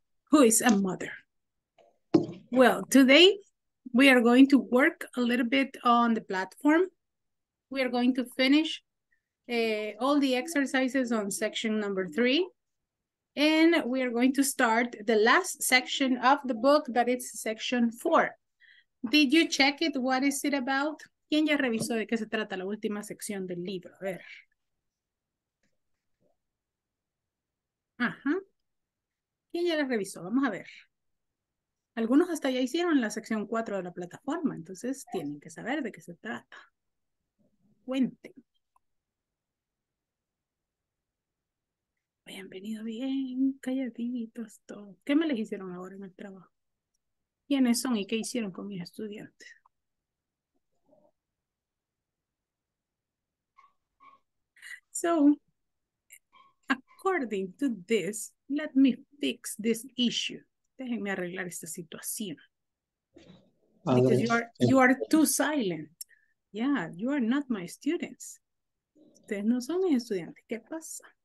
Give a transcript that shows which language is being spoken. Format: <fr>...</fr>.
<en>Who is a mother? Well, today we are going to work a little bit on the platform. We are going to finish all the exercises on section number 3. And we are going to start the last section of the book, that is section 4. Did you check it? What is it about?</en> <es>¿Quién ya revisó de qué se trata la última sección del libro? A ver. ¿Quién ya la revisó? Vamos a ver. Algunos hasta ya hicieron la sección 4 de la plataforma, entonces tienen que saber de qué se trata. Cuenten. Hayan venido bien, calladitos todos. ¿Qué me les hicieron ahora en el trabajo? ¿Quiénes son y qué hicieron con mis estudiantes?</es> <en>So, according to this, let me fix this issue.</en> <es>Déjenme arreglar esta situación.</es> <en>Because you are too silent. Yeah, you are not my students.</en> <es>Ustedes no son mis estudiantes. ¿Qué pasa?</es>